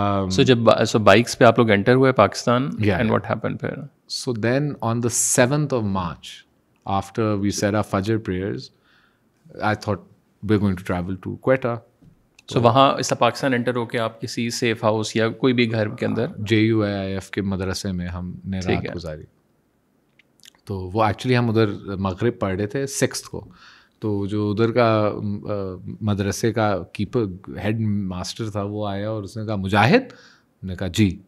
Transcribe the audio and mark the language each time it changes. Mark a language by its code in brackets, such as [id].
[ur] سو جب سو بائکس پہ آپ لوگ انٹر ہوئے پاکستان [en] and what happened [ur] پھر [en] So then on the 7th of March After we said our Fajr prayers, I thought we're going to travel to Quetta. [ur] سو وہاں اس طرح پاکستان انٹر ہو کے آپ کسی سیف ہاؤس یا کوئی بھی گھر کے اندر جے یو آئی آئی ایف کے مدرسے میں ہم نے رات گزاری. تو وہ ایکچولی ہم ادھر مغرب پڑھ رہے تھے سکسٹھ کو, تو جو ادھر کا مدرسے کا کیپر ہیڈ ماسٹر تھا وہ آیا اور اس نے کہا مجاہد؟ ہم نے کہا جی.